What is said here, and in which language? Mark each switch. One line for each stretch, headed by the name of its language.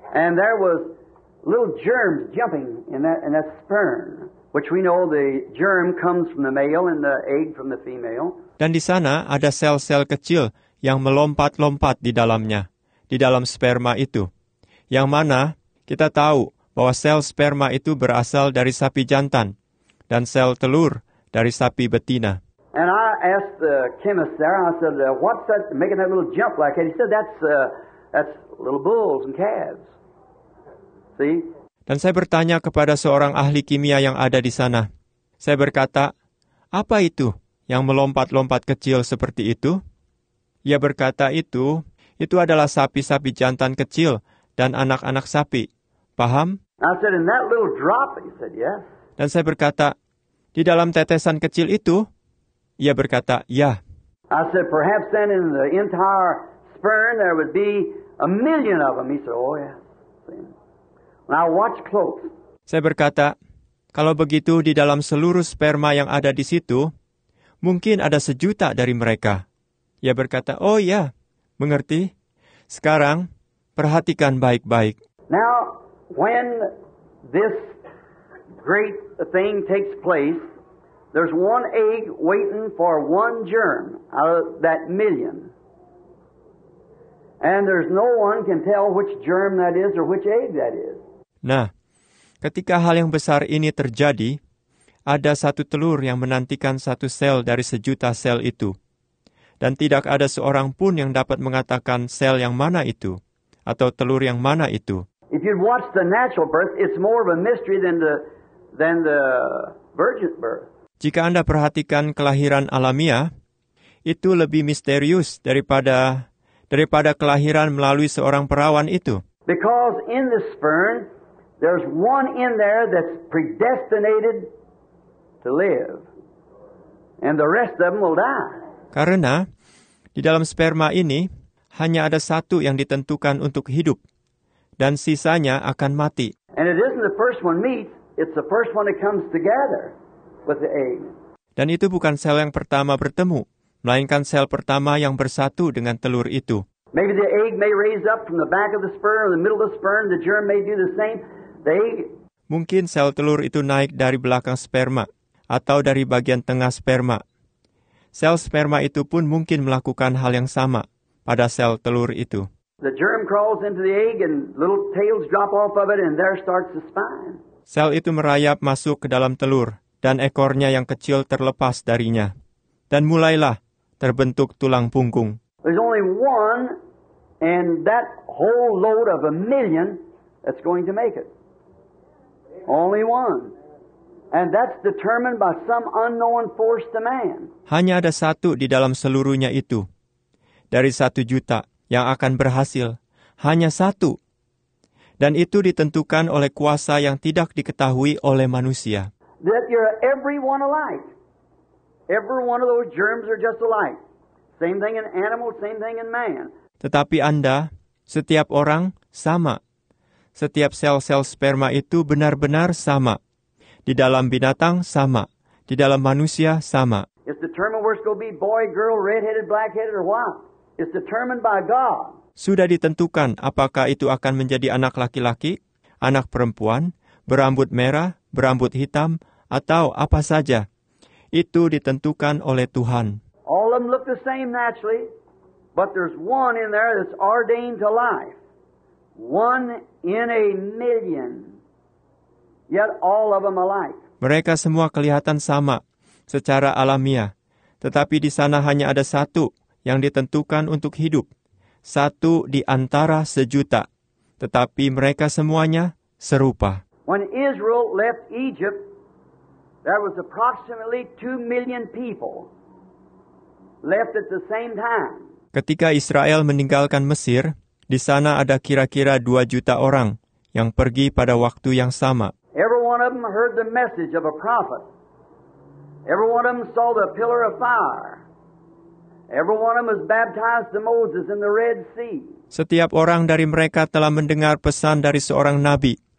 English: And there was little germs jumping in that sperm, which we know the germ comes from the male and the egg from the female.
Indonesian: Dan di sana ada sel-sel kecil yang melompat-lompat di dalamnya, di dalam sperma itu, yang mana kita tahu bahwa sel sperma itu berasal dari sapi jantan dan sel telur dari sapi betina.
English: And I asked the chemist there, I said, what's that making that little jump like? And he said, that's little bulls and calves. See?
Indonesian: Dan saya bertanya kepada seorang ahli kimia yang ada di sana. Saya berkata, apa itu yang melompat-lompat kecil seperti itu? Ia berkata, itu adalah sapi-sapi jantan kecil dan anak-anak sapi. Paham?
English: I said, in that little drop, he said, yes.
Indonesian: Dan saya berkata, di dalam tetesan kecil itu, ia berkata, ya.
English: I said, perhaps then in the entire sperm there would be a million of them. He said, oh yeah. And I watch close.
Indonesian: Saya berkata, kalau begitu di dalam seluruh sperma yang ada di situ, mungkin ada sejuta dari mereka. Ia berkata, oh ya, mengerti. Sekarang, perhatikan baik-baik.
English: Now, when this great thing takes place, there's one egg waiting for one germ out of that million. And there's no one can tell which germ that is or which egg that is.
Indonesian: Nah, ketika hal yang besar ini terjadi, ada satu telur yang menantikan satu sel dari sejuta sel itu. Dan tidak ada seorang pun yang dapat mengatakan sel yang mana itu, atau telur yang mana itu.
English: If you watch the natural birth, it's more of a mystery than the virgin birth.
Indonesian: Jika Anda perhatikan kelahiran alamiah, itu lebih misterius daripada kelahiran melalui seorang perawan itu.
English: Because in the sperm, there's one in there that's predestinated to live, and the rest of them will die.
Indonesian: Karena di dalam sperma ini hanya ada satu yang ditentukan untuk hidup, dan sisanya akan mati.
English: And it isn't the first one meets; it's the first one that comes together with the egg.
Indonesian: Dan itu bukan sel yang pertama bertemu, melainkan sel pertama yang bersatu dengan telur itu.
English: Maybe the egg may raise up from the back of the sperm or the middle of the sperm. The germ may do the same.
Indonesian: Mungkin sel telur itu naik dari belakang sperma atau dari bagian tengah sperma. Sel sperma itu pun mungkin melakukan hal yang sama pada sel telur itu.
English: The germ crawls into the egg and little tails drop off of it and there starts the spine.
Indonesian: Sel itu merayap masuk ke dalam telur dan ekornya yang kecil terlepas darinya. Dan mulailah terbentuk tulang punggung.
English: There's only one and that whole load of a million that's going to make it. Only one. And that's determined by some unknown force to man.
Indonesian: Hanya ada satu di dalam seluruhnya itu. Dari satu juta yang akan berhasil. Hanya satu. Dan itu ditentukan oleh kuasa yang tidak diketahui oleh manusia.
English: That you're every one alike. Every one of those germs are just alike. Same thing in animals, same thing in man.
Indonesian: Tetapi Anda, setiap orang, sama. Setiap sel-sel sperma itu benar-benar sama. Di dalam binatang, sama. Di dalam manusia, sama.
English: It's determined where it's going to be, boy, girl, red-headed, black-headed, or what. It's determined by God.
Indonesian: Sudah ditentukan apakah itu akan menjadi anak laki-laki, anak perempuan, berambut merah, berambut hitam, atau apa saja. Itu ditentukan oleh Tuhan.
English: All of them look the same naturally, but there's one in there that's ordained to life. One in a million, yet all of them alike.
Indonesian: Mereka semua kelihatan sama, secara alamiah, tetapi di sana hanya ada satu yang ditentukan untuk hidup, satu di antara sejuta, tetapi mereka semuanya serupa.
English: When Israel left Egypt, there was approximately 2 million people left at the same time.
Indonesian: Ketika Israel meninggalkan Mesir, di sana ada kira-kira 2 juta orang yang pergi pada waktu yang sama.
English: Every one of them heard the message of a prophet. Every one of them saw the pillar of fire. Every one of them was baptized to Moses in the Red Sea.
Indonesian: Setiap orang dari mereka telah mendengar pesan dari seorang nabi.